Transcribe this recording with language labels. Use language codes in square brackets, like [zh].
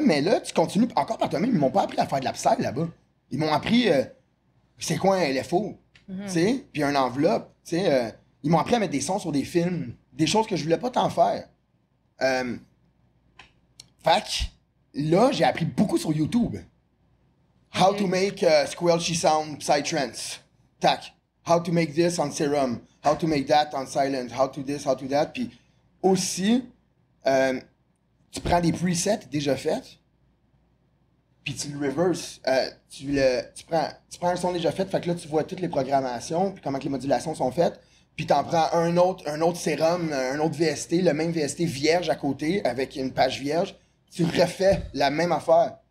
[fr] Mais là, tu continues encore par toi-même. Ils m'ont pas appris à faire de l'abstract là-bas. Ils m'ont appris c'est quoi un LFO. Mm-hmm. Tu sais, puis un enveloppe, tu sais, ils m'ont appris à mettre des sons sur des films, des choses que je voulais pas tant faire. Fait que là, j'ai appris beaucoup sur YouTube. [en] How to make squelchy sound psytrance. [fr] Tac. [en] How to make this on Serum. How to make that on Silent. How to this, how to that. [fr] Puis aussi, tu prends des presets déjà faits. Puis tu le reverse, tu prends un son déjà fait, fait que là tu vois toutes les programmations, puis comment que les modulations sont faites, puis t'en prends un autre sérum, un autre VST, le même VST vierge à côté, avec une page vierge, tu refais la même affaire.